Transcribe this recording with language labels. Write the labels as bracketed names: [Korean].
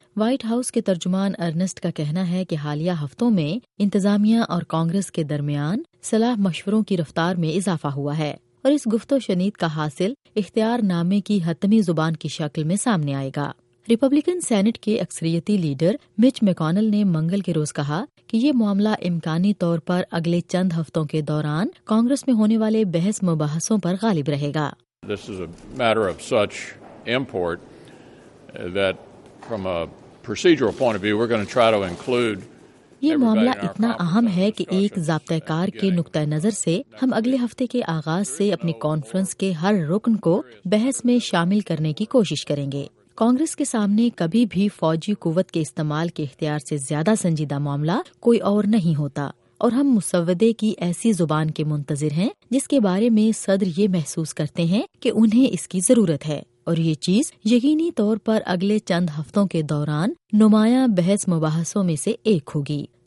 [Urdu] White house کے ترجمان Ernest کا کہنا ہے کہ حالیہ ہفتوں میں انتظامیہ اور کانگریس کے درمیان صلاح مشوروں کی رفتار میں اضافہ ہوا ہے اور اس گفت و شنید کا حاصل اختیار نامے کی حتمی زبان کی شکل میں سامنے آئے گا. ریپبلکن سینٹ کے اکثریتی لیڈر مچ میکونل نے منگل کے روز کہا کہ یہ معاملہ امکانی طور پر اگلے چند ہفتوں کے دوران کانگریس میں ہونے والے بحث مباحثوں پر غالب رہے گا. [English] This is a matter of such import that from a procedural point of view we're going to try to include. [Urdu] یہ معاملہ اتنا اہم ہے کہ ایک ضابطہ کار کے نقطہ نظر سے ہم اگلے ہفتے کے آغاز سے اپنی کانفرنس کے ہر رکن کو بحث میں شامل کرنے کی کوشش کریں گے. کانگریس کے سامنے کبھی بھی فوجی قوت کے استعمال کے اختیار سے زیادہ سنجیدہ معاملہ کوئی اور نہیں ہوتا اور ہم مسودے کی ایسی زبان کے منتظر ہیں جس کے بارے میں صدر یہ محسوس کرتے ہیں کہ انہیں اس کی ضرورت ہے اور یہ چیز یقینی طور پر اگلے چند ہفتوں کے دوران نمایاں بحث مباحثوں میں سے ایک ہوگی.